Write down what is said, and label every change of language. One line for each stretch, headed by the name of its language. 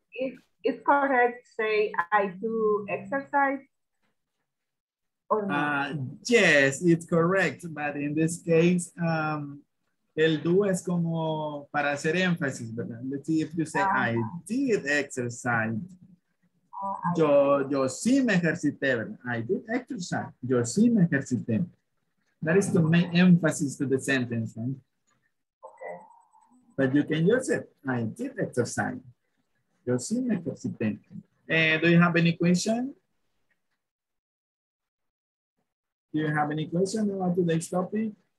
English: Have it's correct to say I do exercise? Yes, it's correct, but in this case,
Spanish: el do es como para hacer énfasis, ¿verdad?
English: Let's see if you say, I did exercise.
Spanish: Yo sí me ejercité, ¿verdad?
English: I did exercise.
Spanish: Yo sí me ejercité.
English: That is to make emphasis to the sentence, right? Okay. But you can use it. I did exercise.
Spanish: Yo sí me ejercité.
English: Do you have any question? Do you have any question about today's topic?